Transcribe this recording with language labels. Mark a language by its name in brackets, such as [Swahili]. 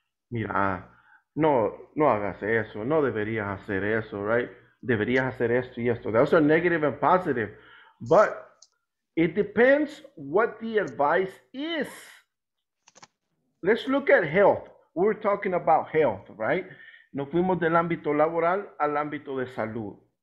[Spanish] Mira, no hagas eso, no deberías hacer eso, right? Deberías hacer esto y esto. [English] Those are negative and positive. But it depends what the advice is. Let's look at health. We're talking about health, right? [Spanish] Nos fuimos del ámbito laboral al ámbito de salud.